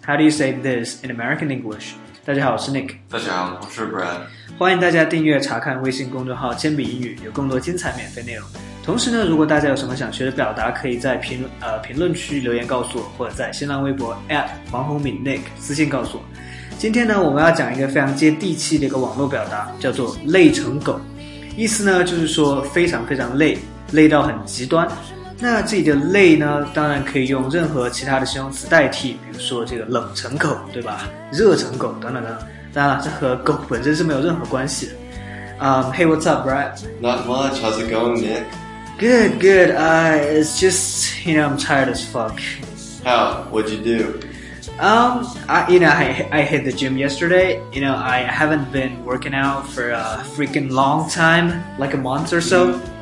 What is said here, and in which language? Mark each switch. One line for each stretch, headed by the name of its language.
English: How do you say this in American English?
Chinese: 大家好，我是 Nick。大家好，我是 Brad。欢迎大家订阅查看微信公众号铅笔英语，有更多精彩免费内容。同时呢，如果大家有什么想学的表达，可以在评论区留言告诉我，或者在新浪微博 @ 黄宏敏 Nick 私信告诉我。今天呢，我们要讲一个非常接地气的一个网络表达，叫做累成狗。意思呢，就是说非常非常累，累到很极端。那这里的累呢，当然可以用任何其他的形容词代替，比如说这个冷成狗，对吧？热成狗等等等。当然了，这和狗本身是没有任何关系的。
English: Hey, what's up, Brad? Not much. How's it going, Nick? Good, good. It's just, you know, I'm tired as fuck. How? What'd you do? I hit the gym yesterday. You know, I haven't been working out for a freaking long time, like a month or so.